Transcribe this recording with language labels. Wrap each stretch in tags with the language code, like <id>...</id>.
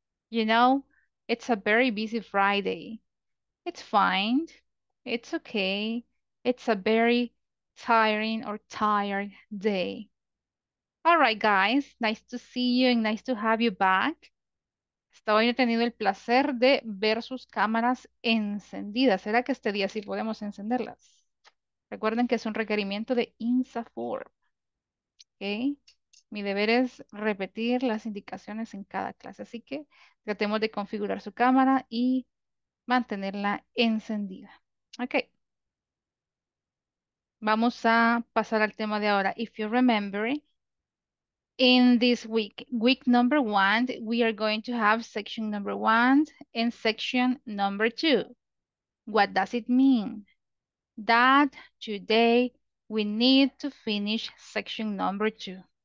<en>You know, it's a very busy Friday. It's fine. It's okay. It's a very tiring or tired day. All right, guys. Nice to see you and nice to have you back.</en> <es>Estaba yo teniendo el placer de ver sus cámaras encendidas. ¿Será que este día sí podemos encenderlas? Recuerden que es un requerimiento de INSAFOR. ¿Okay? Mi deber es repetir las indicaciones en cada clase. Así que tratemos de configurar su cámara y mantenerla encendida. Okay. Vamos a pasar al tema de ahora.</es> <en>If you remember it, in this week, week number one, we are going to have section number one and section number two. What does it mean? That today we need to finish section number two.</en>